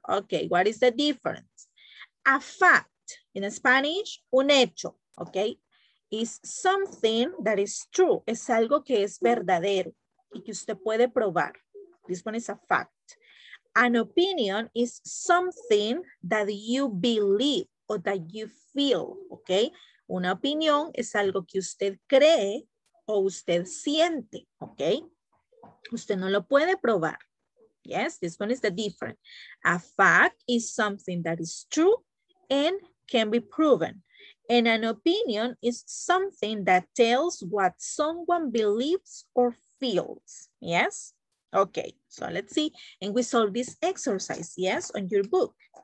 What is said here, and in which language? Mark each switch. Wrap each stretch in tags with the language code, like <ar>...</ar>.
<en>Okay, what is the difference? A fact, in Spanish,</en> <es>un hecho.</es> <en>Okay. Is something that is true,</en> <es>es algo que es verdadero y que usted puede probar.</es> <en>This one is a fact. An opinion is something that you believe or that you feel, okay?</en> <es>Una opinión es algo que usted cree o usted siente, okay? Usted no lo puede probar.</es> <en>Yes, this one is the different. A fact is something that is true and can be proven. And an opinion is something that tells what someone believes or feels. Yes? Okay, so let's see. And we solve this exercise, yes, on your book.</en>